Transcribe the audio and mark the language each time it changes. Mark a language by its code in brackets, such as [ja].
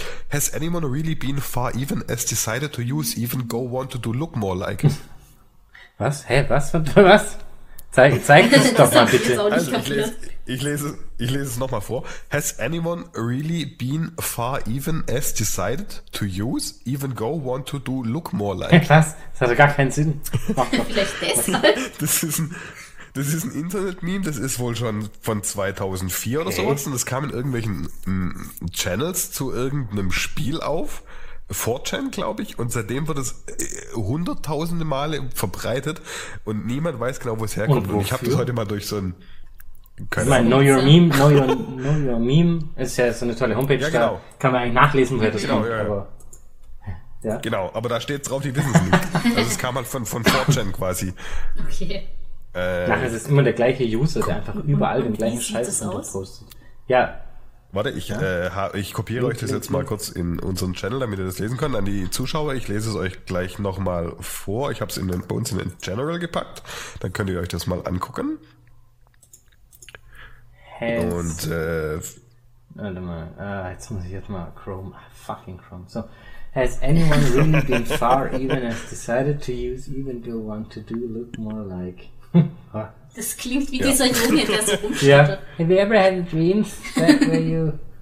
[en] Has anyone really been far even as decided to use even go want to do look more like? [de] Was? Hä? Was? Zeig es doch mal bitte. Also, ich lese es nochmal vor. [en] Has anyone really been far even as decided to use even go want to do look more like? [de] Was? Das hat ja gar keinen Sinn. Vielleicht deshalb. Das ist ein Internet-Meme, das ist wohl schon von 2004 oder sowas. Und das kam in irgendwelchen Channels zu irgendeinem Spiel auf. 4chan, glaube ich. Und seitdem wird es hunderttausende Male verbreitet. Und niemand weiß genau, wo es herkommt. Und ich habe das heute mal durch so ein... Know Your Meme ist ja so eine tolle Homepage. Ja, genau. Da kann man eigentlich nachlesen, wer das genau, kommt. Ja. Genau, aber da steht drauf, die wissen es nicht. Also es kam halt von 4chan quasi. Okay. Nachher ist es immer der gleiche User, der einfach überall den gleichen Scheiß postet. Ja. Warte, ich kopiere euch das jetzt mal kurz in unseren Channel, damit ihr das lesen könnt. An die Zuschauer, ich lese es euch gleich nochmal vor. Ich habe es bei uns in den General gepackt. Dann könnt ihr euch das mal angucken. Und warte mal. Jetzt muss ich jetzt mal Chrome. Fucking Chrome. So. [en] Has anyone really been far even as decided to use even do want to do look more like? [de] Das klingt wie dieser Junge, der so rumschüttelt. [en] Yeah. Have you ever had a dream that where you...